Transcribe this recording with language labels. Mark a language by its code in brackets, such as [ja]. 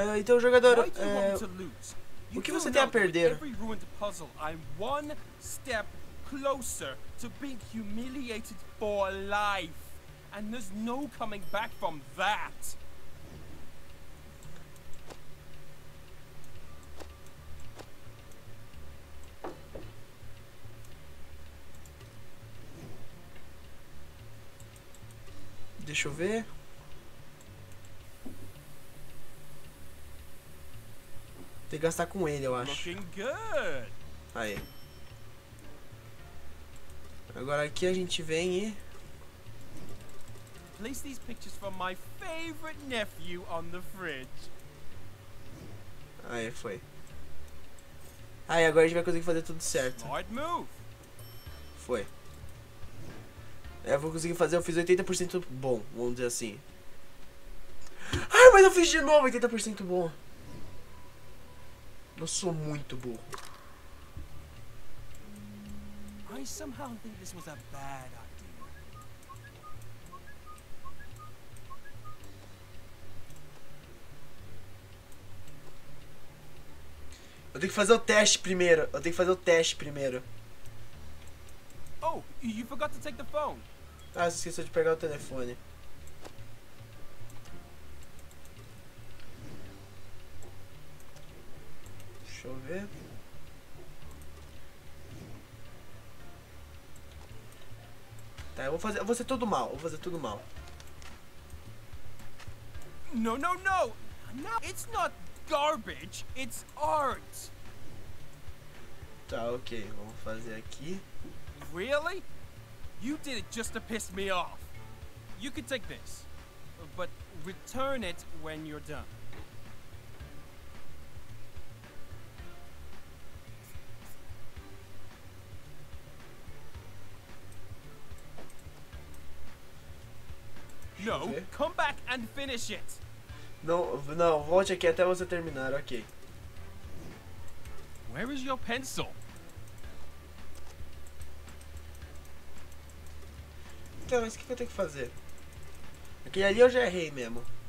[pt] Então jogador, o que você tem a perder? [en] Every ruined puzzle, I'm one step closer to being humiliated for life, and there's no coming back from that. [pt] Deixa eu ver. Tem que gastar com ele, eu acho. Aí. Agora aqui a gente vem e. [en] Place these pictures from my favorite nephew on the fridge. [pt] Aí foi. Aí agora a gente vai conseguir fazer tudo certo. [en] Smart move. [pt] Foi. Eu vou conseguir fazer, eu fiz 80% bom, vamos dizer assim. Ah, mas eu fiz de novo, 80% bom. Eu sou muito burro. [en] I somehow think this was a bad idea. [pt] Eu tenho que fazer o teste primeiro. [en] Oh, you forgot to take the phone. [pt] Ah, você esqueceu de pegar o telefone. Deixa eu ver. Tá, eu vou fazer. Eu vou ser tudo mal. [en] No, no, no! No, it's not garbage, it's art. [pt] Tá, ok, vamos fazer aqui. [en] Really? You did it just to piss me off. You can take this, but return it when you're done. No, come back and finish it. [pt] Não, não, volte aqui até você terminar, ok. [en] Where is your pencil? [pt] Então, mas o que eu tenho que fazer? Aquele ali eu já errei mesmo.